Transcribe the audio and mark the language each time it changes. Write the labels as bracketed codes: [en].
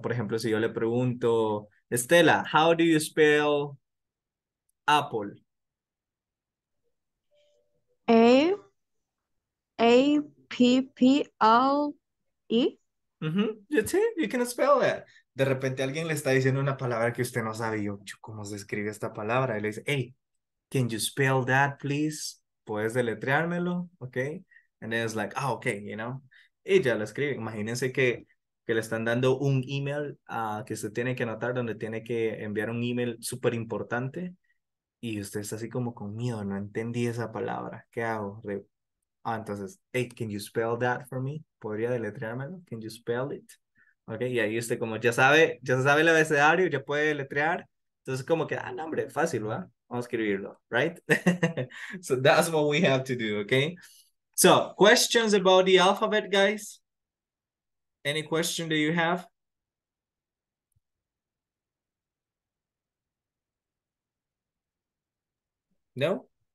[es] Por ejemplo, si yo le pregunto, Estela, [en] how do you spell apple? A-P-P-L-E. You can spell it. [es] De repente alguien le está diciendo una palabra que usted no sabe. Y yo, ¿cómo se escribe esta palabra? [en] Y le dice, hey, can you spell that, please? [es] ¿Puedes deletreármelo? [en] Okay. And then it's like, oh, okay, you know. [es] Y ya lo escribe. Imagínense que le están dando un email que usted tiene que anotar, donde tiene que enviar un email súper importante. Y usted está así como con miedo. No entendí esa palabra. ¿Qué hago? [en] Entonces, hey, can you spell that for me? [es] ¿Podría deletreármelo? [en] Can you spell it? [es] Ok, y ahí usted como ya sabe el abecedario, ya puede deletrear. Entonces como que, ah, no, hombre, fácil, ¿verdad? Vamos a escribirlo, right? [en] So that's what we have to do, ok? So, questions about the alphabet, guys? Any question that you have? No?